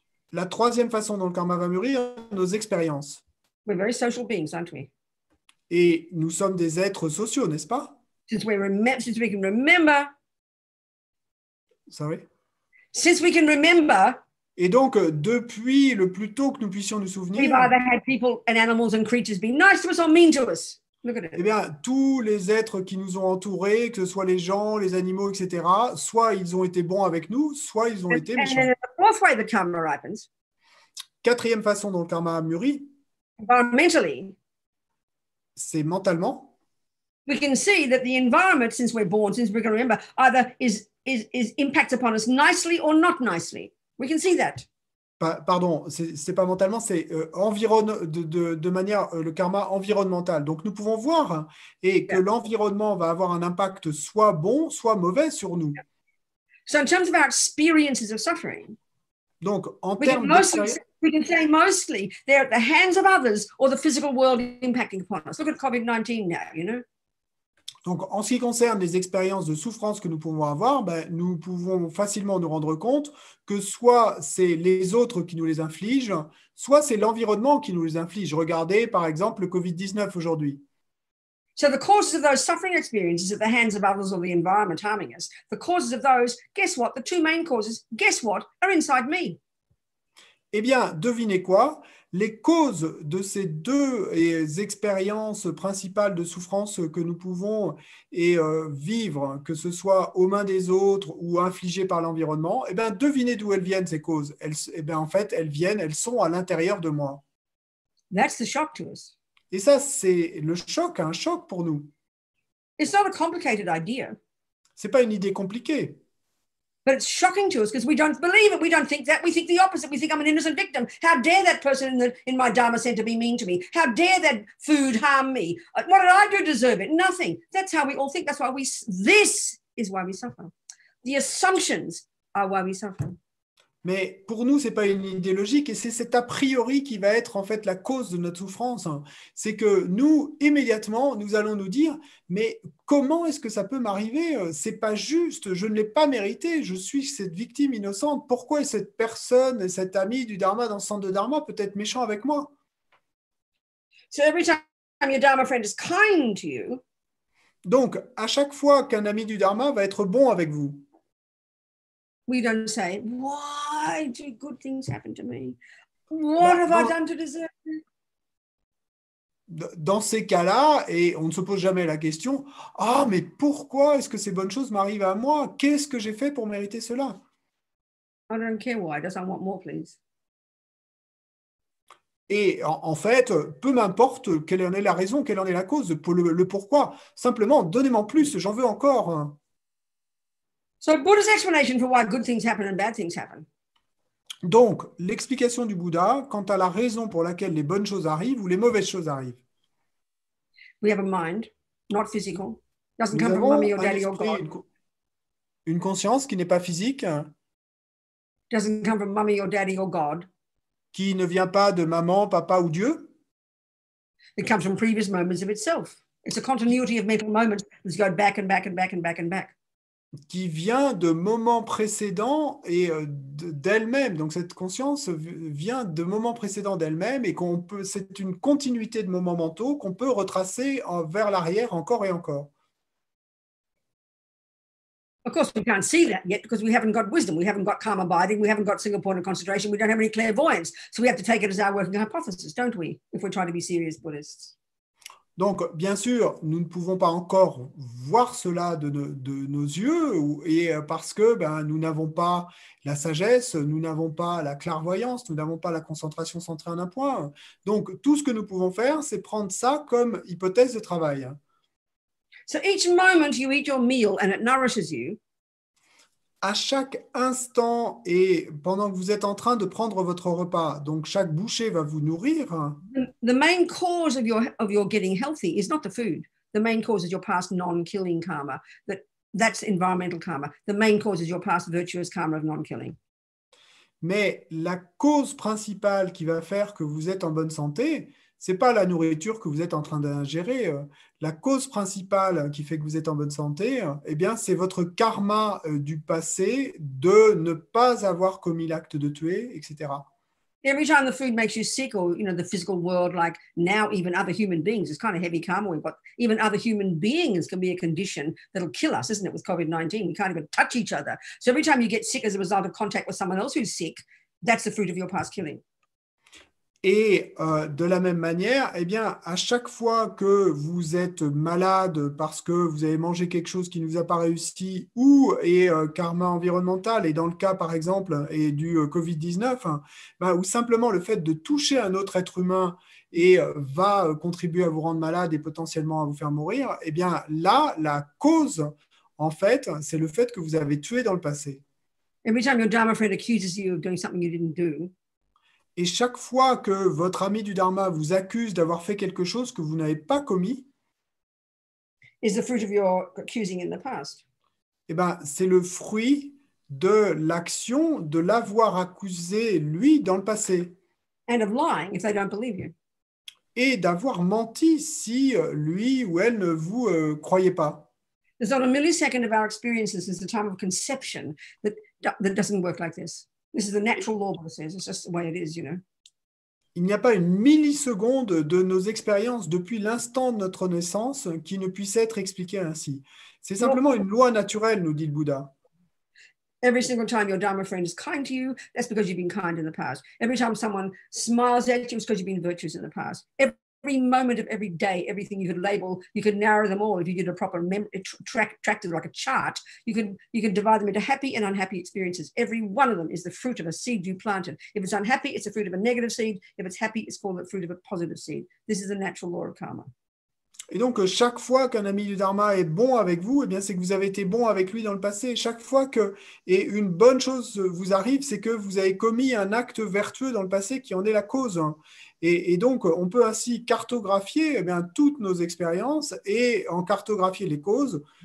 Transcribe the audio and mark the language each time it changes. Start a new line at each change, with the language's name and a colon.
French: La troisième façon dont le karma va mûrir, nos expériences.
English: We're very social beings, aren't we?
French: Et nous sommes des êtres sociaux, n'est-ce pas?
English: Since we can remember. Sorry. Since we can remember.
French: Et donc, depuis le plus tôt que nous puissions nous
English: We've
French: souvenir,
English: either had people and animals and creatures be nice to us or mean to us. Look at eh it.
French: bien, tous les êtres qui nous ont entourés, que ce soit les gens, les animaux, etc., soit ils ont été bons avec nous, soit ils ont été
English: And then
French: méchants.
English: the fourth way the karma ripens,
French: Quatrième façon dont le karma a mûri,
English: environmentally,
French: c'est mentalement.
English: we can see that the environment, since we're born, since we can remember, either is impacts upon us nicely or not nicely. We can see that.
French: Pardon, c'est pas mentalement, c'est de manière le karma environnemental. Donc nous pouvons voir et que l'environnement va avoir un impact soit bon, soit mauvais sur nous.
English: So in terms of our experiences of suffering,
French: Donc en termes d'expérience.
English: we can say mostly they're at the hands of others or the physical world impacting upon us. Look at COVID-19 now, you know.
French: Donc, en ce qui concerne les expériences de souffrance que nous pouvons avoir, ben, nous pouvons facilement nous rendre compte que soit c'est les autres qui nous les infligent, soit c'est l'environnement qui nous les inflige. Regardez, par exemple, le Covid-19 aujourd'hui.
English: So the causes of those suffering experiences at the hands of others or the environment harming us, the causes of those, guess what, the two main causes, guess what, are inside me.
French: Eh bien, devinez quoi? Les causes de ces deux expériences principales de souffrance que nous pouvons vivre, que ce soit aux mains des autres ou infligées par l'environnement, eh bien, devinez d'où elles viennent, ces causes. Eh bien, en fait, elles sont à l'intérieur de moi.
English: That's the shock to us.
French: Et ça, c'est le choc, un choc pour nous.
English: It's not a complicated idea.
French: C'est pas une idée compliquée.
English: But it's shocking to us because we don't believe it. We don't think that. We think the opposite. We think I'm an innocent victim. How dare that person in my Dharma center be mean to me? How dare that food harm me? What did I do to deserve it? Nothing. That's how we all think. That's why we, this is why we suffer. The assumptions are why we suffer.
French: Mais pour nous, ce n'est pas une idée logique et c'est cet a priori qui va être en fait la cause de notre souffrance. C'est que nous, immédiatement, nous allons nous dire « Mais comment est-ce que ça peut m'arriver ? Ce n'est pas juste, je ne l'ai pas mérité, je suis cette victime innocente. Pourquoi cette personne, cet ami du Dharma dans le centre de Dharma peut être méchant avec moi ?»
English: So every time your Dharma friend is kind to you,
French: donc, à chaque fois qu'un ami du Dharma va être bon avec vous,
English: we don't say, why do good things happen to me? What have I done to deserve it?
French: Dans ces cas-là, et on ne se pose jamais la question, ah, mais pourquoi est-ce que ces bonnes choses m'arrivent à moi? Qu'est-ce que j'ai fait pour mériter cela?
English: I don't care why, just I want more, please.
French: Et en fait, peu m'importe quelle en est la raison, quelle en est la cause, le pourquoi. Simplement, donnez-moi plus, j'en veux encore.
English: So Buddha's explanation for why good things happen and bad things happen.
French: Donc, l'explication du Bouddha quant à la raison pour laquelle les bonnes choses arrivent ou les mauvaises choses arrivent.
English: We have a mind, not physical. It doesn't come from mommy or daddy or God.
French: Une conscience qui n'est pas physique.
English: It doesn't come from mommy or daddy or God.
French: Qui ne vient pas de maman, papa ou Dieu.
English: It comes from previous moments of itself. It's a continuity of mental moments that go back and back and back and back and back.
French: Qui vient de moments précédents et d'elle-même. Donc cette conscience vient de moments précédents d'elle-même et qu'on peut, c'est une continuité de moments mentaux qu'on peut retracer vers l'arrière encore et encore.
English: Of course, we can't see that yet because we haven't got wisdom, we haven't got calm abiding, we haven't got single point of concentration, we don't have any clairvoyance. So we have to take it as our working hypothesis, don't we, if we're trying to be serious Buddhists?
French: Donc, bien sûr, nous ne pouvons pas encore voir cela de nos yeux et parce que ben, nous n'avons pas la sagesse, nous n'avons pas la clairvoyance, nous n'avons pas la concentration centrée en un point. Donc, tout ce que nous pouvons faire, c'est prendre ça comme hypothèse de travail.
English: So each moment you eat your meal and it nourishes you.
French: À chaque instant et pendant que vous êtes en train de prendre votre repas, donc chaque bouchée va vous nourrir.
English: The main cause of your getting healthy is not the food. The main cause is your past non-killing karma. That's environmental karma. The main cause is your past virtuous karma of non-killing.
French: Mais la cause principale qui va faire que vous êtes en bonne santé, c'est pas la nourriture que vous êtes en train d'ingérer. La cause principale qui fait que vous êtes en bonne santé, eh bien, c'est votre karma du passé de ne pas avoir commis l'acte de tuer, etc.
English: Every time the food makes you sick, or you know, the physical world, like now, even other human beings, it's kind of heavy karma. We've got even other human beings can be a condition that'll kill us, isn't it? With COVID-19, we can't even touch each other. So every time you get sick as a result of contact with someone else who's sick, that's the fruit of your past killing.
French: Et de la même manière, eh bien, à chaque fois que vous êtes malade parce que vous avez mangé quelque chose qui ne vous a pas réussi ou et karma environnemental, et dans le cas, par exemple, et du COVID-19, hein, bah, ou simplement le fait de toucher un autre être humain et va contribuer à vous rendre malade et potentiellement à vous faire mourir, eh bien, là, la cause, en fait, c'est le fait que vous avez tué dans le passé.
English: Every time your Dharma friend accuses you of doing something you didn't do.
French: Et chaque fois que votre ami du Dharma vous accuse d'avoir fait quelque chose que vous n'avez pas commis,
English: is the fruit of your accusing in the past.
French: Et ben, c'est le fruit de l'action de l'avoir accusé lui dans le passé.
English: And of lying if they don't believe you.
French: Et d'avoir menti si lui ou elle ne vous croyait pas.
English: There's not a millisecond of our experiences is the time of conception that doesn't work like this. This is the natural law, Buddha says. It's just the way it is, you know.
French: Il n'y a pas une milliseconde de nos expériences depuis l'instant de notre naissance qui ne puisse être expliquée ainsi. C'est simplement une loi naturelle, nous dit le Bouddha.
English: Every single time your Dharma friend is kind to you, that's because you've been kind in the past. Every time someone smiles at you, it's because you've been virtuous in the past. Every moment of every day, everything you could label, you could narrow them all if you did a proper track it like a chart. You can divide them into happy and unhappy experiences. Every one of them is the fruit of a seed you planted. If it's unhappy, it's the fruit of a negative seed. If it's happy, it's called the fruit of a positive seed. This is the natural law of karma.
French: Et donc, chaque fois qu'un ami du Dharma est bon avec vous, eh bien, c'est que vous avez été bon avec lui dans le passé. Chaque fois que et une bonne chose vous arrive, c'est que vous avez commis un acte vertueux dans le passé qui en est la cause. Et donc, on peut ainsi cartographier eh bien, toutes nos expériences et en cartographier les causes.